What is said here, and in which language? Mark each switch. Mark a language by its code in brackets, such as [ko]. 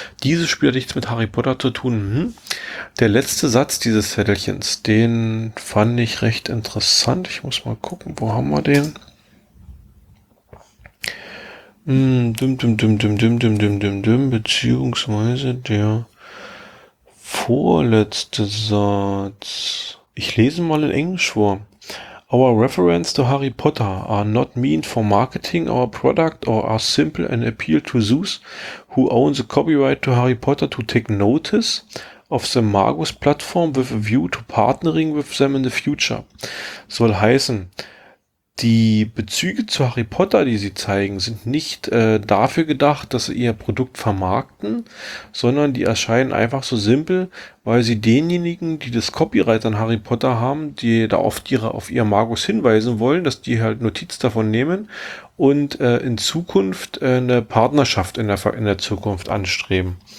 [de] Dieses Spiel hat nichts mit Harry Potter zu tun. Mhm. Der letzte Satz dieses Zettelchens, den fand ich recht interessant. Ich muss mal gucken, wo haben wir den? Beziehungsweise der vorletzte Satz. Ich lese mal in Englisch vor. [en] Our reference to Harry Potter are not mean for marketing our product or are simple an appeal to those who own the copyright to Harry Potter to take notice of the Magus platform with a view to partnering with them in the future. [de] Soll heißen, die Bezüge zu Harry Potter, die sie zeigen, sind nicht dafür gedacht, dass sie ihr Produkt vermarkten, sondern die erscheinen einfach so simpel, weil sie denjenigen, die das Copyright an Harry Potter haben, die da oft auf ihr Magus hinweisen wollen, dass die halt Notiz davon nehmen und in Zukunft eine Partnerschaft in der Zukunft anstreben.